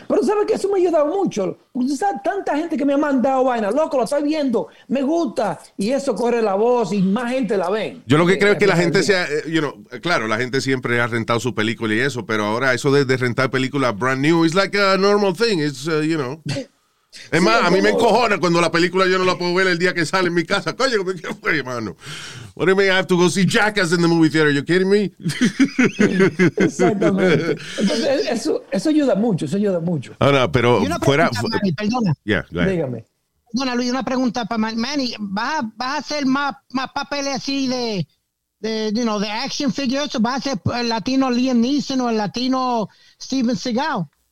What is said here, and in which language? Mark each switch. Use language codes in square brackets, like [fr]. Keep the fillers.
[es] Pero sabes que eso me ha ayudado mucho. porque tanta gente que me ha mandado vaina, loco, lo estoy viendo, me gusta, y eso corre la voz y más gente la ve. Yo lo que creo eh, es que la gente vi. sea, [en] you know, [es] claro, la gente siempre ha rentado su película y eso, pero ahora eso de, de rentar películas brand new, [en] it's like a normal thing, it's, uh, you know. [es] Es más, sí, a mí me encojona cuando la película yo no la puedo ver el día que sale en mi casa. Coño, ¿qué fue, hermano? [en] What do you mean, I have to go see Jackass in the movie theater? Are you kidding me? Exactamente. [es] Entonces, eso, eso ayuda mucho, eso ayuda mucho. Ah, oh, no, pero una fuera... Para, Manny, perdona. Yeah, go ahead. Dígame. Bueno, Luis, una pregunta para Manny. ¿Vas, vas a hacer va más, más papeles así de, de, [en] you know, [es] de action figures? ¿Vas a hacer el latino Liam Neeson o el latino Steven Seagal?